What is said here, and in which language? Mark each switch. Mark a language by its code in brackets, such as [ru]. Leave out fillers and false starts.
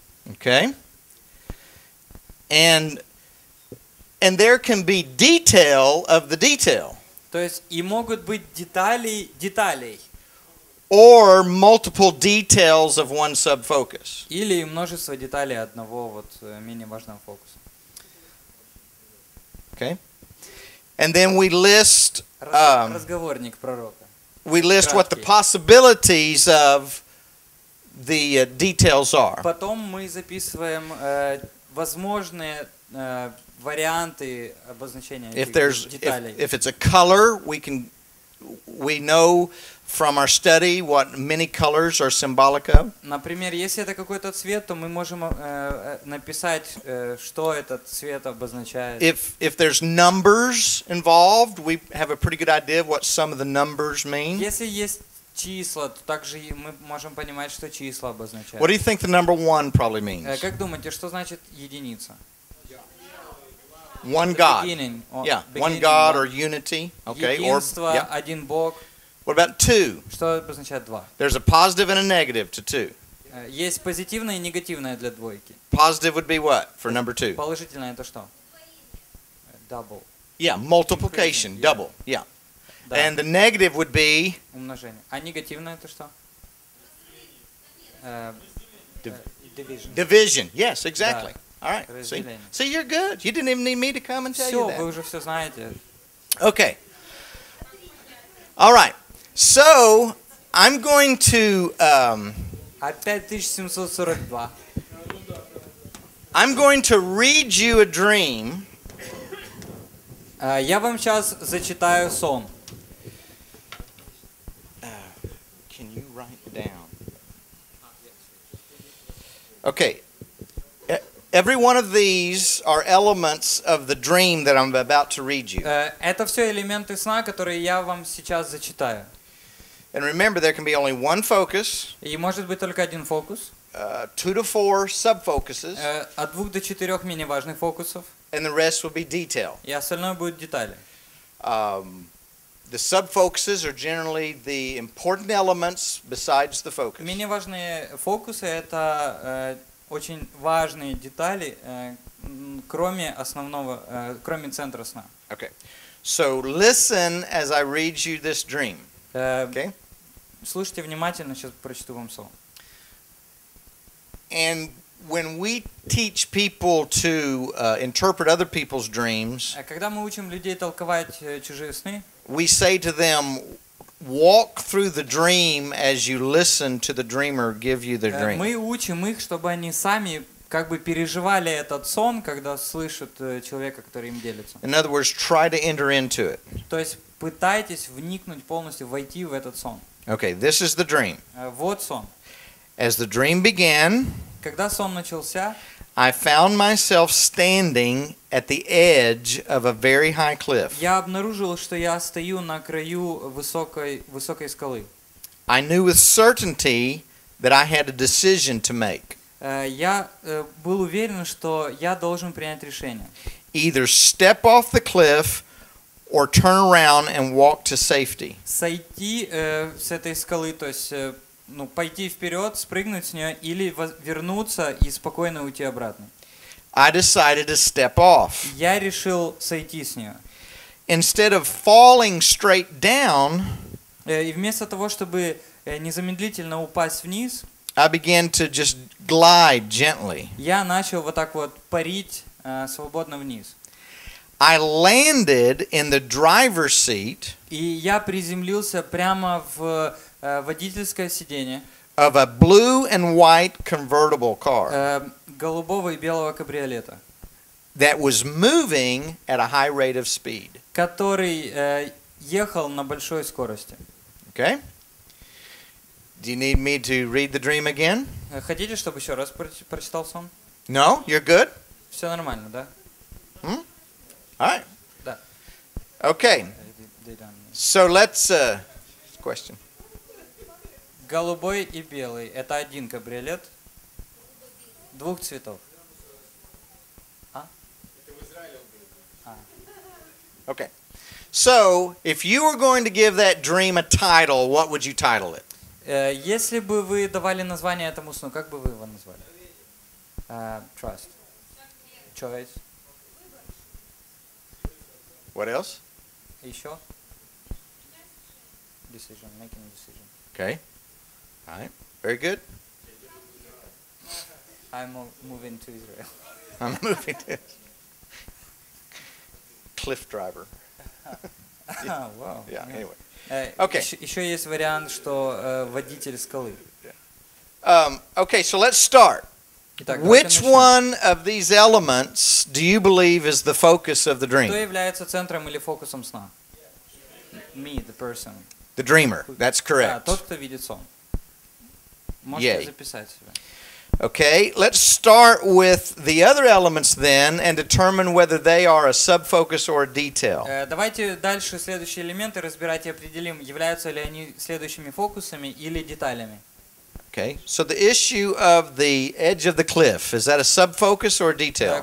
[en] Okay. And there can be detail of the detail. [ru] То есть и могут быть деталей. [en] Or multiple details of one subfocus. [ru] Или множество деталей одного вот менее важного фокуса. [en] Okay. And then we list. [ru] Разговорник пророка. [en] We list [ru] краткий. [en] What the possibilities of the details are. [ru] Потом мы записываем возможные варианты обозначения деталей. [en] If it's a color, we know. From our study, what many colors are symbolic of? [ru] Например, если это какой-то цвет, то мы можем написать, что этот цвет обозначает. [en] If there's numbers involved, we have a pretty good idea of what some of the numbers mean. [ru] Если есть числа, то также мы можем понимать, что числа обозначают. [en] What do you think the number one probably means? [ru] Как думаете, что значит единица? [en] One God. Yeah. One God or unity. Okay. [ru] Единство, один Бог. [en] What about two? [ru] Что обозначает два? [en] There's a positive and a negative to two. [ru] Есть позитивное и негативное для двойки. [en] Positive would be what for number two? [ru] Положительное это что? [en] Double. Yeah, multiplication, yeah. Double. Yeah. [ru] Да. [en] And the negative would be? [ru] Умножение. А негативное это что? [en] Division. Division. Yes, exactly. [ru] Да. [en] All right. See, you're good. You didn't even need me to come and tell [ru] все, [en] you that. [ru] Все, вы уже все знаете. [en] Okay. All right. So, I'm going to read you a dream. [ru] Я вам сейчас зачитаю сон. [en] Can you write down? Okay. Every one of these are elements of the dream that I'm about to read you. [ru] Это все элементы сна, которые я вам сейчас зачитаю. [en] And remember, there can be only one focus. [ru] И может быть только один фокус. [en] Two to four sub-focuses. [ru] От двух до четырех менее важных фокусов. [en] And the rest will be detail. [ru] И остальное будет детали. [en] The sub-focuses are generally the important elements besides the focus. [ru] Менее важные фокусы — это очень важные детали, кроме основного, кроме центра сна. [en] Okay. So listen as I read you this dream. Okay? [ru] Слушайте внимательно, сейчас прочту вам сон. [en] And when we teach people to interpret other people's dreams, [ru] когда мы учим людей толковать чужие сны, [en] we say to them, walk through the dream as you listen to the dreamer give you the dream. [ru] Мы учим их, чтобы они сами как бы переживали этот сон, когда слышат человека, который им делится. [en] In other words, try to enter into it. [ru] То есть пытайтесь вникнуть полностью, войти в этот сон. [en] Okay, this is the dream. [ru] Вот сон. [en] As the dream began, [ru] когда сон начался, [en] I found myself standing at the edge of a very high cliff. [ru] Я обнаружил, что я стою на краю высокой скалы. [en] I knew with certainty that I had a decision to make. [ru] Я был уверен, что я должен принять решение. [en] Either step off the cliff or turn around and walk to safety. [ru] Сойти с этой скалы, то есть ну, пойти вперед, спрыгнуть с нее или вернуться и спокойно уйти обратно. [en] I decided to step off. [ru] Я решил сойти с нее. [en] Instead of falling straight down, [ru] и вместо того, чтобы незамедлительно упасть вниз, [en] I began to just glide gently. [ru] Я начал вот так вот парить свободно вниз. [en] I landed in the driver's seat. [ru] И я приземлился прямо в водительское сиденье. [en] Of a blue and white convertible car. [ru] Голубого и белого кабриолета. [en] That was moving at a high rate of speed. [ru] Который ехал на большой скорости. [en] Okay. Do you need me to read the dream again? [ru] Хотите, чтобы еще раз прочитал сон? [en] No, you're good. [ru] Все нормально, да? [en] Hmm? All right. [ru] Да. [en] Okay. So let's question. [ru] Голубой и белый — это один кабриолет двух цветов. А? [en] Okay. So, if you were going to give that dream a title, what would you title it? [ru] Если бы вы давали название этому сну, как бы вы его назвали? [en] Trust. Choice. What else? [ru] Еще. [en] Decision. Making a decision. Okay. All right. Very good. I'm moving to Israel. I'm moving to Cliff Driver. Yeah. Wow. Yeah, anyway. Okay. [ru] Еще есть вариант, что водитель скалы. [en] Okay, so let's start. Which one of these elements do you believe is the focus of the dream? [ru] Кто является центром или фокусом сна? [en] Me, the person. The dreamer. That's correct. [ru] Да, тот, кто видит сон. Можете записать себе. [en] Okay, let's start with the other elements then and determine whether they are a sub-focus or a detail. [ru] Давайте дальше следующие элементы разбирать и определим, являются ли они следующими фокусами или деталями. [en] Okay, so the issue of the edge of the cliff, is that a sub-focus or a detail?